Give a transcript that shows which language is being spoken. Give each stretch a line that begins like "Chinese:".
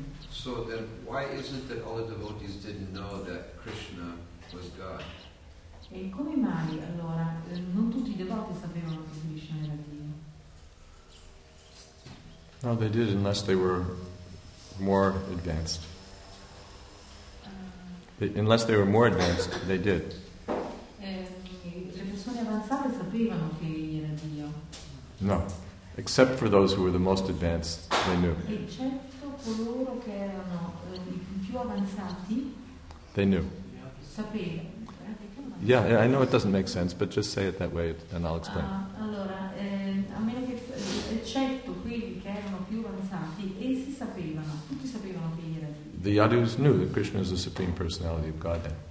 English: So then why is it that all the devotees didn't know that Krishna was God?
Italian: E come mai allora non tutti i devoti sapevano che Krishna era Dio?
English: No, they did, unless they were more advanced. Unless they were more advanced, they did.
Italian: Le persone avanzate sapevano che era Dio.
English: No, except for those who were the most advanced, they knew.
Italian: Eccetto coloro che erano più avanzati.
English: They knew.
Italian: Sapevano.
English: Yeah, I know it doesn't make sense, but just say it that way, and I'll explain.
Italian: Allora, a meno che eccetto quelli che erano più avanzati, essi sapevano, tutti sapevano che era Dio.
English: The Yadus knew that Krishna is the supreme personality of Godhead.